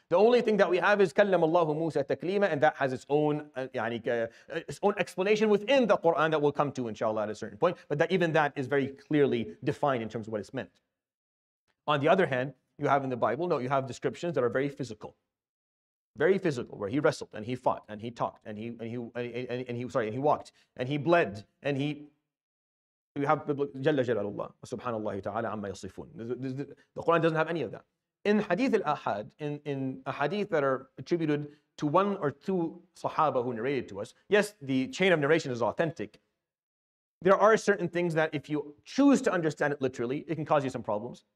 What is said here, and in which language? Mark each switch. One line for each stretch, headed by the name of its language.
English: The only thing that we have is
Arabic: كلم الله موسى تكليما,
English: and that has its own explanation within the Quran that we'll come to inshallah at a certain point, but that even that is very clearly defined in terms of what it's meant. On the other hand, you have in the Bible, you have descriptions that are very physical. Very physical, where he wrestled and he fought and he talked and he walked and he bled and he... You have
Arabic: جل جلاله سبحان الله تعالى عما يصفون.
English: The Quran doesn't have any of that. In Hadith al-Ahad, in a hadith that are attributed to one or two Sahaba who narrated to us, yes, the chain of narration is authentic. There are certain things that if you choose to understand it literally, it can cause you some problems.